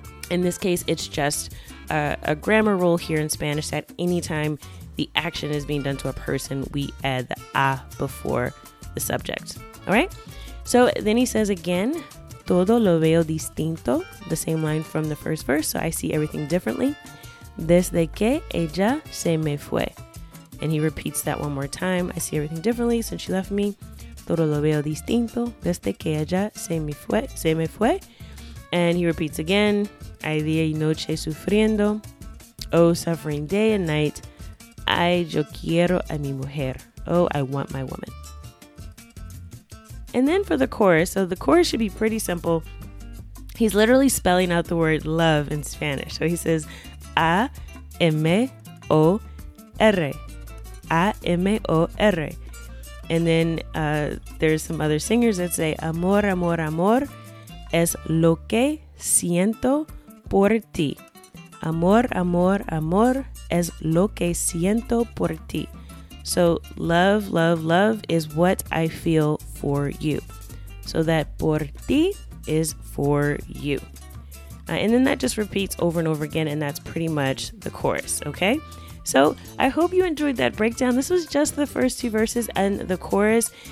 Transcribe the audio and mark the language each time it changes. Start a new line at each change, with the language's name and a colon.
English: In this case, it's just a grammar rule here in Spanish that anytime the action is being done to a person, we add the a before the subject. All right, so then he says again,
Spanish: todo lo veo distinto,
English: the same line from the first verse. So I see everything differently.
Spanish: Desde que ella se me fue.
English: And he repeats that one more time. I see everything differently since she left me.
Spanish: Todo lo veo distinto desde que ella se me fue.
English: And he repeats again.
Spanish: Ay, día y noche sufriendo.
English: Oh, suffering day and night.
Spanish: Ay, yo quiero a mi mujer.
English: Oh, I want my woman. And then for the chorus. So the chorus should be pretty simple. He's literally spelling out the word love in Spanish. So he says, A-M-O-R. A-M-O-R. And then there's some other singers that say,
Spanish: amor, amor, amor es lo que siento por ti. Amor, amor, amor es lo que siento por ti.
English: So love, love, love is what I feel for you. So that por ti is for you. And then that just repeats over and over again, and that's pretty much the chorus, okay? So I hope you enjoyed that breakdown. This was just the first two verses and the chorus.